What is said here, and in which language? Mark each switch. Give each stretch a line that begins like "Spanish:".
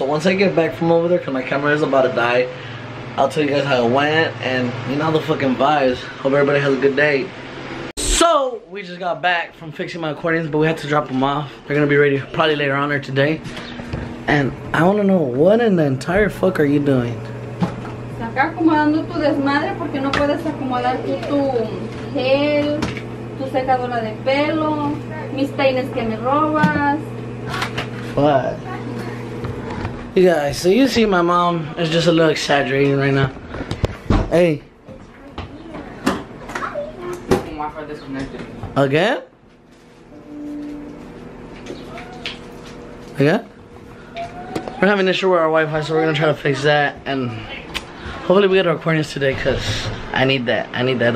English: So once I get back from over there, cause my camera is about to die, I'll tell you guys how it went and you know the fucking vibes. Hope everybody has a good day. So we just got back from fixing my accordions, but we had to drop them off. They're gonna be ready probably later on or today. And I wanna know, what in the entire fuck are you doing?
Spanish: Acá acomodando tu desmadre porque no puedes acomodar tu gel, tu secadora de pelo, mis peines que me robas.
English: What? You guys, so you see my mom is just a little exaggerating right now. Hey. Again? Again? We're having an issue with our Wi-Fi, so we're gonna try to fix that and hopefully we get our accordions today because I need that. I need that.